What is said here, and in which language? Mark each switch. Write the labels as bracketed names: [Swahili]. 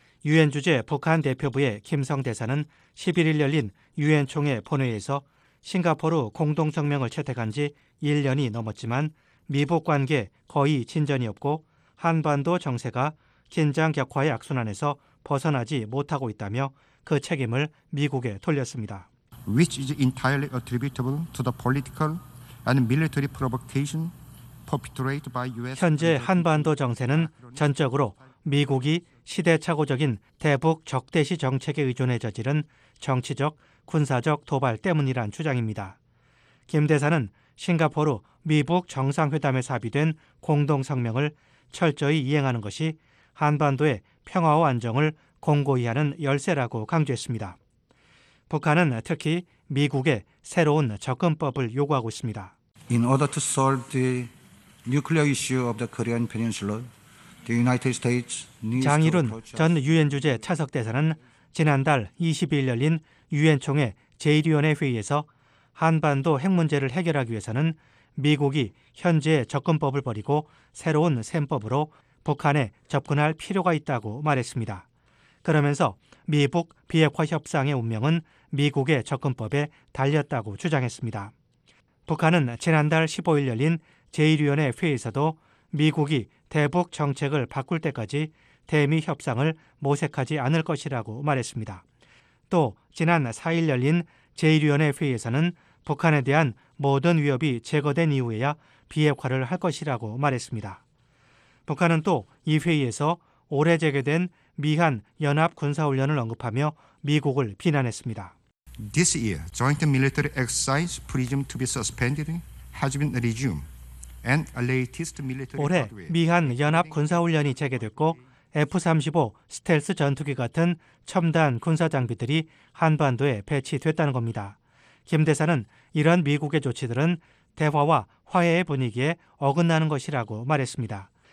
[Korean] 유엔 주재 북한 대표부의 김성 대사는 11일 열린 유엔 총회 본회의에서 싱가포르 공동성명을 채택한 지 1년이 넘었지만 미북 관계 거의 진전이 없고 한반도 정세가 긴장 격화의 악순환에서 벗어나지 못하고 있다며 그 책임을 미국에 돌렸습니다. [English] Which is entirely attributable to the political and military provocation perpetrated by US. [Korean] 현재 한반도 정세는 전적으로 미국이 시대착오적인 대북 적대시 정책에 의존해 저지른 정치적, 군사적 도발 때문이란 주장입니다. 김 대사는 싱가포르 미북 정상회담에서 합의된 공동성명을 철저히 이행하는 것이 한반도의 평화와 안정을 공고히 하는 열쇠라고 강조했습니다. 북한은 특히 미국의 새로운 접근법을 요구하고 있습니다. [English] In order to solve the nuclear issue of the Korean Peninsula, the United States needs [Korean] 장일훈 전 유엔 주재 차석 대사는 지난달 22일 열린 유엔 총회 제1위원회 회의에서 한반도 핵 문제를 해결하기 위해서는 미국이 현재의 접근법을 버리고 새로운 셈법으로 북한에 접근할 필요가 있다고 말했습니다. 그러면서 미북 비핵화 협상의 운명은 미국의 접근법에 달렸다고 주장했습니다. 북한은 지난달 15일 열린 제1위원회 회의에서도 미국이 대북 정책을 바꿀 때까지 대미 협상을 모색하지 않을 것이라고 말했습니다. 또 지난 4일 열린 제1위원회 회의에서는 북한에 대한 모든 위협이 제거된 이후에야 비핵화를 할 것이라고 말했습니다. 북한은 또 이 회의에서 올해 재개된 미한 연합 군사훈련을 언급하며 미국을 비난했습니다. [English] This year, joint military exercise PRISM to be suspended has been resumed, and latest military [Korean] 올해 미한 연합 군사훈련이 재개됐고 F-35 스텔스 전투기 같은 첨단 군사 장비들이 한반도에 배치됐다는 겁니다. 김 대사는 이런 미국의 조치들은 대화와 화해의 분위기에 어긋나는 것이라고 말했습니다.